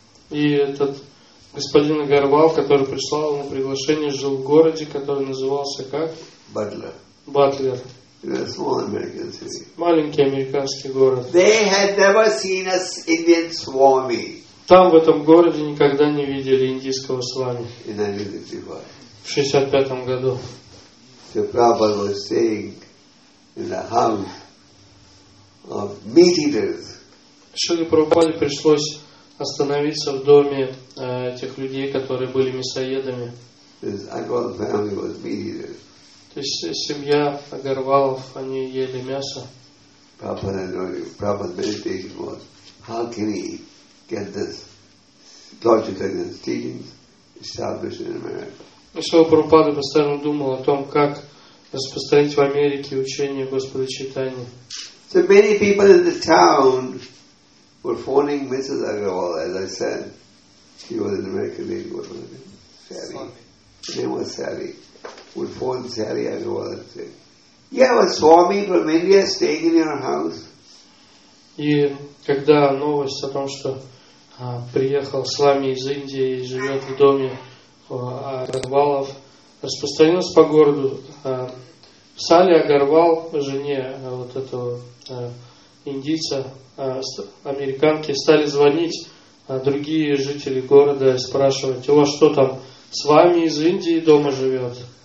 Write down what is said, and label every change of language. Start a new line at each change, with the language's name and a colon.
Russian: И этот господин Агарвал, который прислал ему приглашение, жил в городе, который назывался как? Батлер. Батлер.
English: In a small American city.
Russian: Маленький американский город.
English: They had never seen a Indian Swami.
Russian: Там в этом городе никогда не видели индийского свами.
English: In 1965.
Russian: В 65 году.
English: So Prabhupada was staying in the house of meat eaters.
Russian: Шриле Прабхупаде пришлось остановиться в доме тех людей, которые были мясоедами.
English: His Agarwal family was meat eaters.
Russian: То есть семья Агарвалов, они ели мясо.
English: Prabhupada's meditation was, how can he get this Lord Chaitanya's teachings established in America?
Russian: И Шрила Прабхупада постоянно думал о том, как распространить в Америке учение Господа Чайтаньи.
English: So many people in the town were phoning Mrs. Agarwal, as I said. She was an American lady, wasn't she? Sari. Her name was Sari. Would phone Sari Agarwal and say, you have a Swami from India staying in your house?
Russian: И когда новость о том, что приехал Свами из Индии и живет в доме Агарвалов, распространилась по городу, Сали Агарвал, жене вот этого индийца, американки, стали звонить другие жители города и спрашивать: у вас что там, с вами из Индии дома живет?